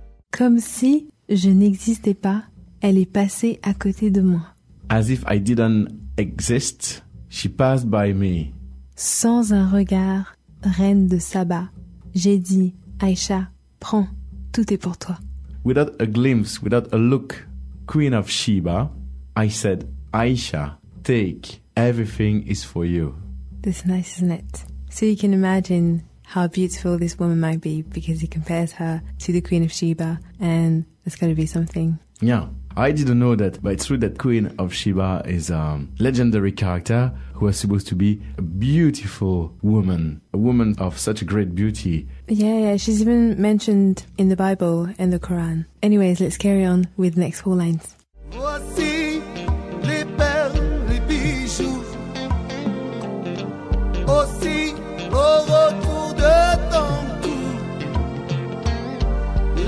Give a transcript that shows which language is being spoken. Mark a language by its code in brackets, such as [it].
[fr] Comme si je n'existais pas, elle est passée à côté de moi. [en] As if I didn't exist. She passed by me. [fr] Sans un regard, reine de Saba, j'ai dit, Aïcha, prends, tout est pour toi. [en] Without a glimpse, without a look, queen of Sheba, I said, Aïcha, take, everything is for you. That's nice, isn't it? So you can imagine how beautiful this woman might be because he compares her to the queen of Sheba and it's going to be something. Yeah. I didn't know that, but it's true that Queen of Sheba is a legendary character who was supposed to be a beautiful woman, a woman of such a great beauty. Yeah, she's even mentioned in the Bible and the Quran. Anyways, let's carry on with the next four lines. [fr] Voici les perles, les bijoux. Aussi au retour de ton cou.